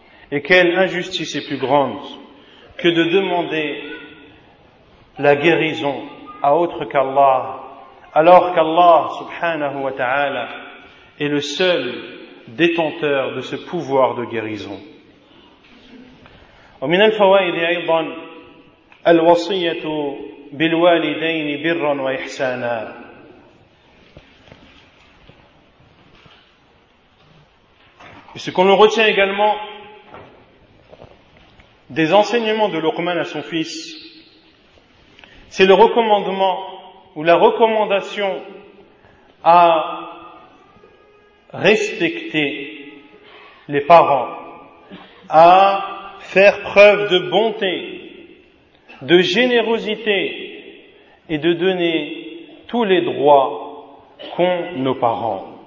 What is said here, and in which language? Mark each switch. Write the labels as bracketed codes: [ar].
[fr] Et quelle injustice est plus grande que de demander la guérison à autre qu'Allah, alors qu'Allah subhanahu wa ta'ala est le seul détenteur de ce pouvoir de guérison. [ar] ومن الفوائد أيضا الوصية بالوالدين برا وإحسانا. [fr] Et ce qu'on retient également des enseignements de Luqman à son fils, c'est le recommandement ou la recommandation à respecter les parents, à faire preuve de bonté, de générosité et de donner tous les droits qu'ont nos parents.